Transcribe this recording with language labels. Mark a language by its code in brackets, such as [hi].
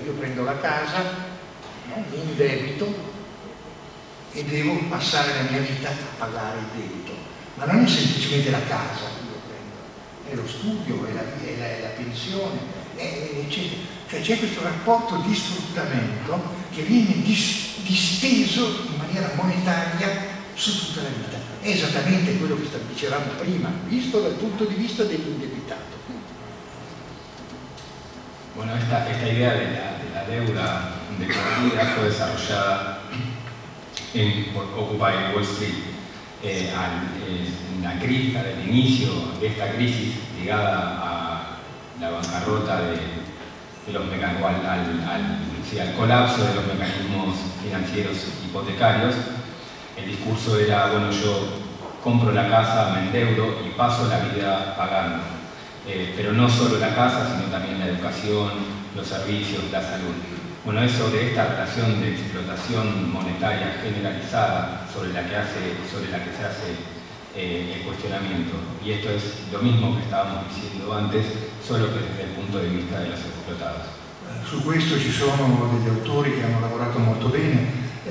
[it] Io prendo la casa in debito e devo passare la mia vita a pagare il debito, ma non è semplicemente la casa che io prendo, è lo studio, è la pensione, eccetera. Cioè c'è questo rapporto di sfruttamento che viene disteso in maniera maniera monetaria su tutta la vita. Esattamente quello che dicevamo prima, visto dal punto di vista dell'indebitato. [es] Bueno, esta idea de la deuda de cooperativa fue desarrollada por Occupy Wall Street en la crisis, al inicio de esta crisis ligada a la bancarrota de los mecanismos, al colapso de los mecanismos financieros hipotecarios. El discurso era, bueno, yo compro la casa, me endeudo y paso la vida pagando. Pero no solo la casa, sino también la educación, los servicios, la salud. Bueno, eso de esta relación de explotación monetaria generalizada sobre la que se hace el cuestionamiento. Y esto es lo mismo que estábamos diciendo antes, solo que desde el punto de vista de los explotados. [it] Su questo ci sono degli autori che hanno lavorato molto bene.